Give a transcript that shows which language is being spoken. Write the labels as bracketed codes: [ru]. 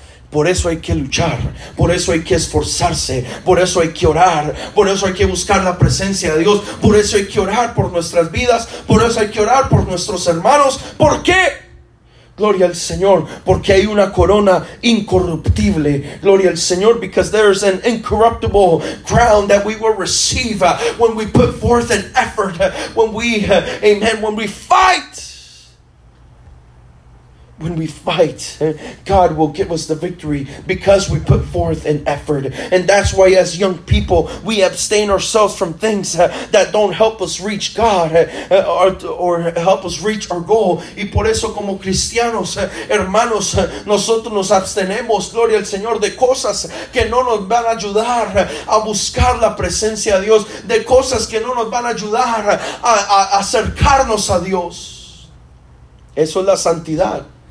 [es] Por eso hay que luchar, por eso hay que esforzarse, por eso hay que orar, por eso hay que buscar la presencia de Dios, por eso hay que orar por nuestras vidas, por eso hay que orar por nuestros hermanos. ¿Por qué? Gloria al Señor, porque hay una corona incorruptible. Gloria al Señor, [en] because there is an incorruptible crown that we will receive when we put forth an effort, when we fight When we fight, God will give us the victory because we put forth an effort. And that's why as young people, we abstain ourselves from things that don't help us reach God or help us reach our goal. [es] Y por eso como cristianos, hermanos, nosotros nos abstenemos, gloria al Señor, de cosas que no nos van a ayudar a buscar la presencia de Dios, de cosas que no nos van a ayudar a acercarnos a Dios. Eso es la santidad.